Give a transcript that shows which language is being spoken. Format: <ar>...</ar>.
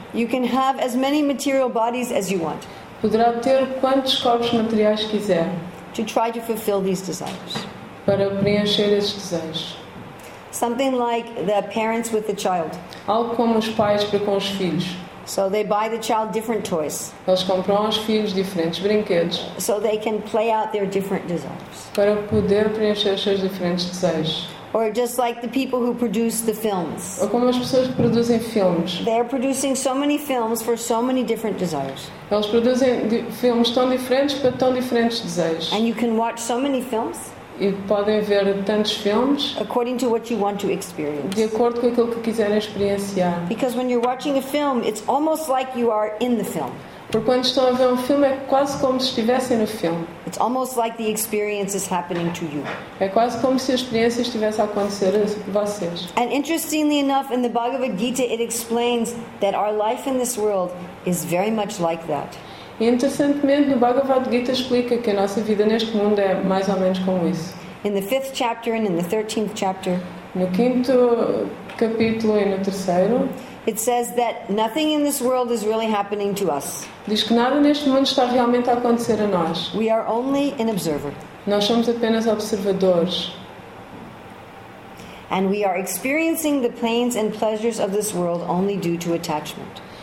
<en>You can have as many material bodies as you want.</en> <pt>Poderá ter quantos corpos materiais quiser.</pt> <en>To try to fulfill these desires.</en> <pt>Para preencher esses desejos.</pt> <en>Something like the parents with the child.</en> <pt>Algo como os pais para com os filhos.</pt> <en>So they buy the child different toys.</en> <pt>Eles compram aos filhos diferentes brinquedos.</pt> <en>So they can play out their different desires.</en> <pt>Para poder preencher os seus diferentes desejos.</pt> <en>Or just like the people who produce the films.</en> <pt>Ou como as pessoas que produzem filmes.</pt> <en>They are producing so many films for so many different desires.</en> <pt>Eles produzem filmes tão diferentes para tão diferentes desejos.</pt> <en>And you can watch so many films.</en> <pt>E podem ver tantos filmes.</pt> <en>According to what you want to experience.</en> <pt>De acordo com aquilo que quiserem experienciar.</pt> <en>Because when you're watching a film, it's almost like you are in the film.</en> <pt>Porque quando estão a ver filme, é quase como se estivessem no filme.</pt> <en>It's almost like the experience is happening to you.</en> <pt>É quase como se a experiência estivesse a acontecer a vocês.</pt> <en>And interestingly enough, in the Bhagavad Gita, it explains that our life in this world is very much like that.</en> <pt>E interessantemente, no Bhagavad Gita explica que a nossa vida neste mundo é mais ou menos como isso.</pt> <en>In the 5th chapter and in the 13th chapter.</en> <pt>No 5º capítulo e no 3º.</pt> <en>It says that nothing in this world is really happening to us.</en> <pt>Diz que nada neste mundo está realmente a acontecer a nós.</pt> <en>We are only an observer.</en> <pt>Nós somos apenas observadores.</pt> <en>And we are experiencing the pains and pleasures of this world only due to attachment.</en>